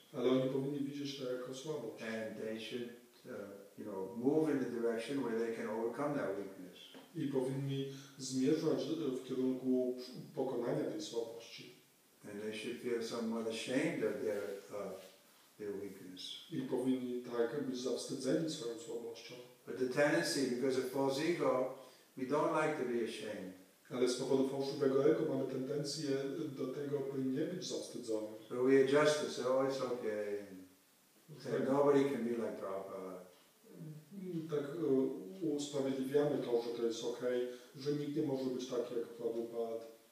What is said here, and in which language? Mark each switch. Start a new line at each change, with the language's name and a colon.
Polish: Ale oni powinni widzieć to jako słabość.
English: And they should you know, move in the direction where they can overcome that weakness.
Polish: I powinni zmierzać w kierunku pokonania tej słabości.
English: And they should feel somewhat ashamed of their weakness.
Polish: I powinni tak być zawstydzeni swoją słabością.
English: But the tendency, because of false ego, we don't like to be ashamed.
Polish: Ale z powodu fałszywego ego mamy tendencję do tego, by nie być zawstydzony.
English: So we adjust to say, oh, it's okay. Okay. Nobody can be like Prabhupada.
Polish: Tak usprawiedliwiamy to, że to jest okej, okay, że nikt nie może być taki jak Prabhupada.